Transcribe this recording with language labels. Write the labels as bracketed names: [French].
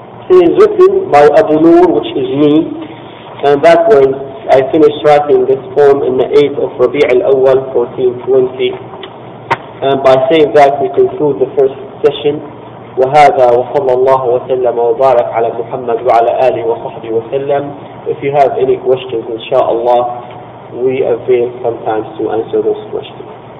[English] It is written by Abu Nur, which is me, and that was, I finished writing this poem in the 8th of Rabi' al-Awwal, 1420. And by saying that, we conclude the first session. [Arabic] وهذا وصلى الله وسلم وبارك على محمد وعلى آله وصحبه وسلم. [English] If you have any questions, inshallah, we avail sometimes to answer those questions.